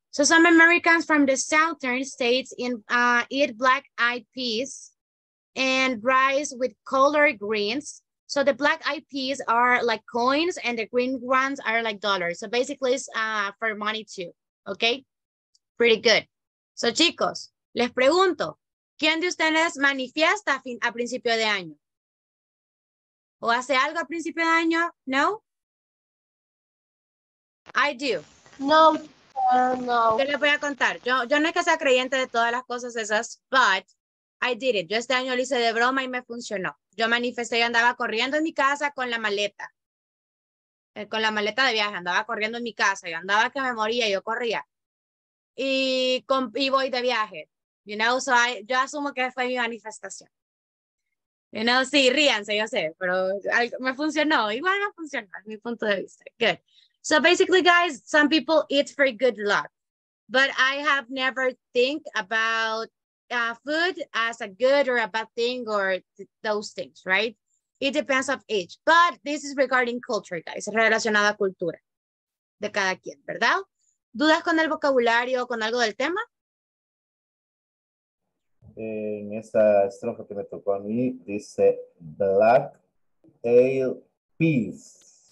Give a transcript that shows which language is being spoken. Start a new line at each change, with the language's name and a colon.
English: So some Americans from the southern states in eat black-eyed peas and rice with collard greens. So the black-eyed peas are like coins and the green ones are like dollars. So basically it's for money too, okay? Pretty good.
Spanish: So chicos, les pregunto, ¿quién de ustedes manifiesta a principio de año? ¿O hace algo a principio de año? No?
English: I do.
Spanish: No. Yo les voy a contar. Yo no es que sea creyente de todas las cosas esas,
English: but I did it.
Spanish: Yo este año lo hice de broma y me funcionó. Yo manifesté y andaba corriendo en mi casa con la maleta. Con la maleta de viaje. Andaba corriendo en mi casa. Yo andaba que me moría y yo corría. Y voy de viaje.
English: You know, so
Spanish: yo asumo que fue mi manifestación.
English: You know,
Spanish: sí, ríanse, yo sé. Pero me funcionó. Igual no funcionó, es mi punto de vista.
English: Good. So basically, guys, some people eat for good luck. But I have never think about food as a good or a bad thing or those things, right? It depends on age. But this is regarding culture, guys.
Spanish: Es relacionado a cultura de cada quien, ¿verdad? ¿Dudas con el vocabulario o con algo del tema? En esta estrofa que me tocó a mí, dice black ale peas.